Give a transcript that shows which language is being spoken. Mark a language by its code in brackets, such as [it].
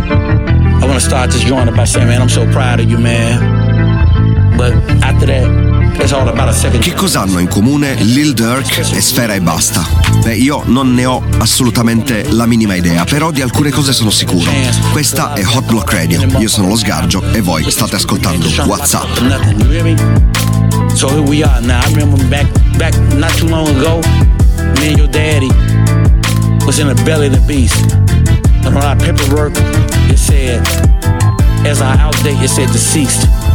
[en] I want to start this joint by saying, man, I'm so proud of you, man. But after that, [it] Che cosa hanno in comune Lil Durk e Sfera Ebbasta? Beh, io non ne ho assolutamente la minima idea, però di alcune cose sono sicuro. Questa è Hot Block Radio, io sono lo Sgargio e voi state ascoltando WhatsApp. [en] So here we are now. I remember back not too long ago, me and your daddy was in the belly of the beast. And on our paperwork, it said, as our out date, it said deceased.